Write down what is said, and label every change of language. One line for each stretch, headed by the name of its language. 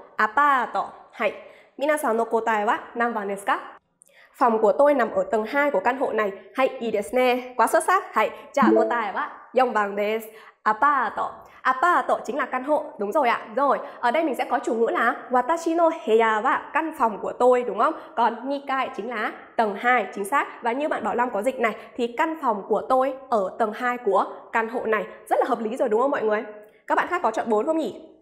Japanese: アパート皆さんの答えは何番ですか?
Vietnamese: Phòng của tôi nằm ở tầng 2 của căn hộ này.
Japanese: はい、いいですね。
Vietnamese: quá xuất sắc.
Japanese: はい、じゃあ答えは4番です。アパート。
Vietnamese: アパート chính là căn hộ. Đúng rồi ạ. Rồi, ở đây mình sẽ có chủ ngữ là
Japanese: 私の部屋は
Vietnamese: căn phòng của tôi, đúng không? Còn 2階 chính là tầng 2, chính xác. Và như bạn Bảo Long có dịch này, thì căn phòng của tôi ở tầng 2 của căn hộ này. Rất là hợp lý rồi đúng không mọi người? Các bạn khác có chọn 4 không nhỉ?